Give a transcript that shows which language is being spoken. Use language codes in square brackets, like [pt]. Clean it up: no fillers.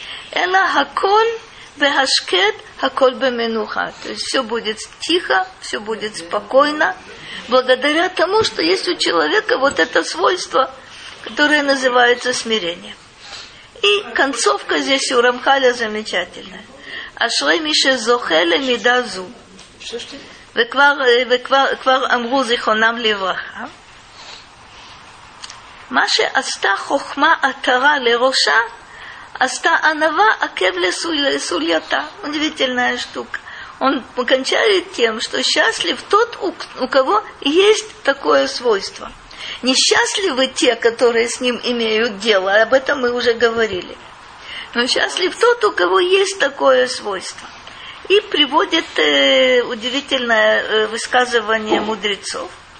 [he] Эла хаколь бегашкет, хаколь беменуха. [ru] То есть все будет тихо, все будет спокойно, благодаря тому, что есть у человека вот это свойство, которое называется смирение. И концовка здесь у Рамхаля замечательная. [he] Ашрей мише зохеле мидазу. וכבר אמרו זיכרונם לברכה. מה שעשתה חוכמה עטרה לראשה, עשתה ענווה עקב לסולייתה. [ru] удивительная штука. Он кончает тем, что счастлив тот, у кого есть такое свойство. Несчастливы те, которые с ним имеют дело, об этом мы уже говорили. Но счастлив тот, у кого есть такое свойство. И приводит удивительное высказывание мудрецов.